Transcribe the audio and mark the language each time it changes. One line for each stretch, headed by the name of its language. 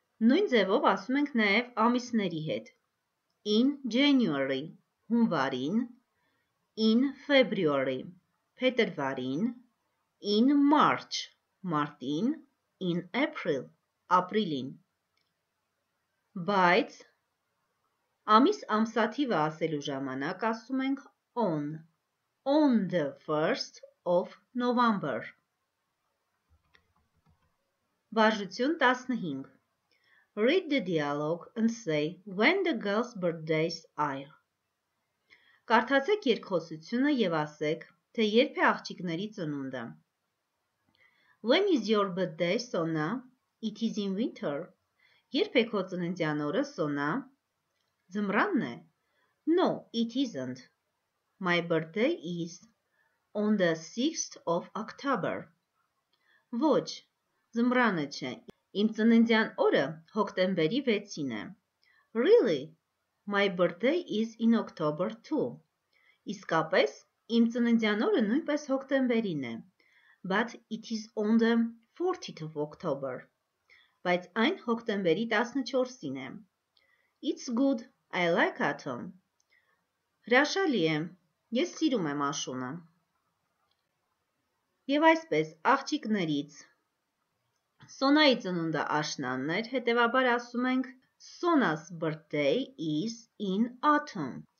Armenian: Նույն ձևով ասում ենք նաև ամիսների հետ,
English: in January,
Armenian: հունվարին,
English: in February,
Armenian: փետրվարին,
English: in March,
Armenian: մարտին,
English: in April,
Armenian: ապրիլին։ Բայց ամիս ամսաթիվը ասելու ժամանակ ասում ենք
English: on the 1st of November.
Armenian: Վարժություն 15.
English: Read the dialogue and say when the girl's birthdays are.
Armenian: Կարդացեք երկխոսությունը և ասեք, թե երբ է աղջիկների ծնունդը։
English: When is your birthday, Sona? It is in winter.
Armenian: Երբ է քո ծննդյան օրը, Sona? Ձմռանն է?
English: No, it isn't. My birthday is on the 6th of October.
Armenian: Ոչ, ձմռանը չէ, իմ ծննդյան օրը հոկտեմբերի 6-ին է.
English: Really? My birthday is in October too.
Armenian: Իսկապես, իմ ծննդյան օրը նույնպես հոկտեմբերին է.
English: But it is on the 40th of October.
Armenian: Բայց այն հոկտեմբերի 14-ին է.
English: It's good. I like autumn.
Armenian: Հրաշալի է. Ես սիրում եմ աշունը. Եվ այսպես, աղջիկներից. Սոնայի ծնունդը աշնանն էր, հետևաբար ասում ենք,
English: Sona's birthday is in autumn.